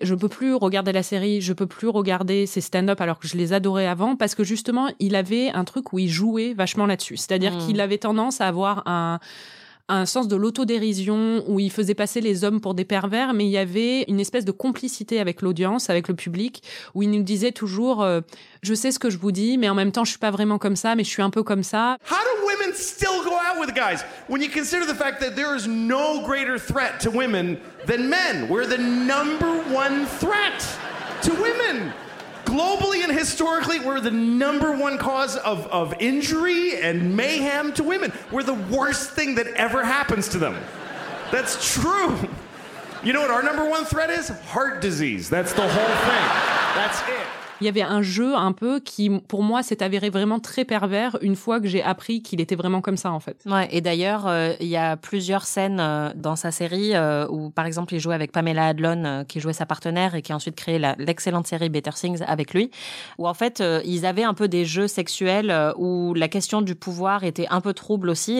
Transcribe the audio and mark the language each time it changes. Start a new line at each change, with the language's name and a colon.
French: Je peux plus regarder la série, je peux plus regarder ses stand-up alors que je les adorais avant parce que justement, il avait un truc où il jouait vachement là-dessus, c'est-à-dire qu'il avait tendance à avoir un sens de l'autodérision où il faisait passer les hommes pour des pervers, mais il y avait une espèce de complicité avec l'audience, avec le public, où il nous disait toujours « Je sais ce que je vous dis, mais en même temps, je suis pas vraiment comme ça, mais je suis un peu comme ça. »
English: How do women still go out with guys when you consider the fact that there is no greater threat to women than men? We're the number one threat to women. Globally and historically, we're the number one cause of injury and mayhem to women. We're the worst thing that ever happens to them. That's true. You know what our number one threat is? Heart disease. That's the whole thing. That's it.
French: Il y avait un jeu un peu qui, pour moi, s'est avéré vraiment très pervers une fois que j'ai appris qu'il était vraiment comme ça, en fait. Ouais, et d'ailleurs, il y a plusieurs scènes dans sa série où, par exemple, il jouait avec Pamela Adlon, qui jouait sa partenaire et qui a ensuite créé l'excellente série Better Things avec lui, où en fait, ils avaient un peu des jeux sexuels où la question du pouvoir était un peu trouble aussi.